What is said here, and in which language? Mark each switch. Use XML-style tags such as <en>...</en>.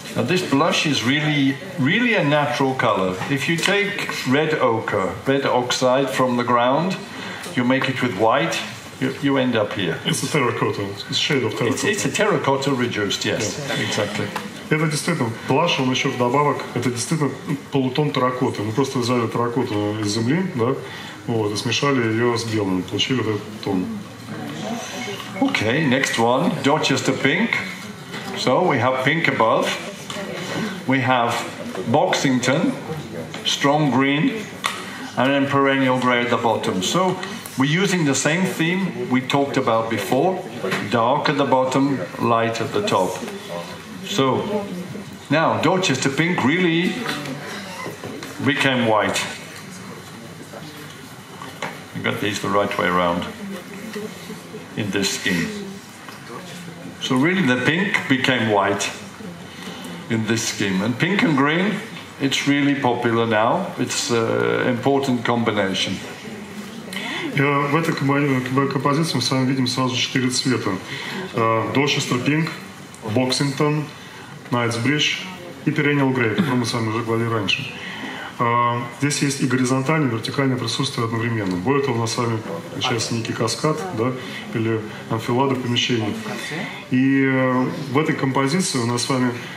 <en>Now this blush is really, really a natural color. If you take red ochre, red oxide from the ground, you make it with white, you end up here. It's a terracotta. It's a shade of terracotta. It's a terracotta reduced, yes. Yeah. Exactly.</en> <ru>Это действительно blush, он еще вдобавок, это действительно полутон терракоты. Мы просто взяли терракоту из земли, да, вот, и смешали ее с белым, получили вот этот тон.</ru> <en>Okay, next one, Dorchester pink. So we have pink above, we have Boxington, strong green, and then perennial gray at the bottom. So we're using the same theme we talked about before: dark at the bottom, light at the top. So now Dorchester pink really became white. I got these the right way around in this scheme. So really the pink became white in this scheme. And pink and green, it's really popular now. It's an important combination.</en> <ru>В этой композиции мы с вами видим сразу 4 цвета. Dorchester pink, Boxington, Knightsbridge и Perennial Grey, о котором мы с вами уже говорили раньше. Здесь есть и горизонтальное, и вертикальное присутствие одновременно. Более того, у нас с вами сейчас некий каскад, да, или анфилада помещений. И в этой композиции у нас с вами</ru>